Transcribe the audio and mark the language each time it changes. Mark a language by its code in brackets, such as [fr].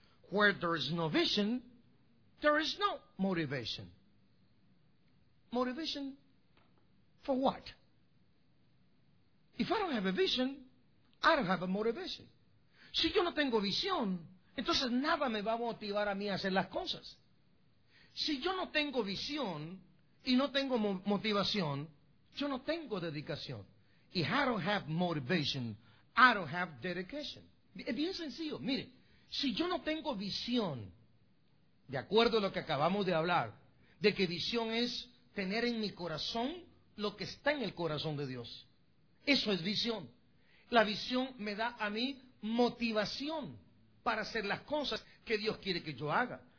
[en] Where there is no vision, there is no motivation. Motivation for what? If I don't have a vision, I don't have a motivation. [es] Si yo no tengo visión, entonces nada me va a motivar a mí a hacer las cosas. Si yo no tengo visión y no tengo motivación, yo no tengo dedicación. [en] If I don't have motivation, I don't have dedication. [es] Es bien sencillo. Mire, si yo no tengo visión, de acuerdo a lo que acabamos de hablar, de que visión es tener en mi corazón lo que está en el corazón de Dios. Eso es visión. La visión me da a mí motivación para hacer las cosas que Dios quiere que yo haga.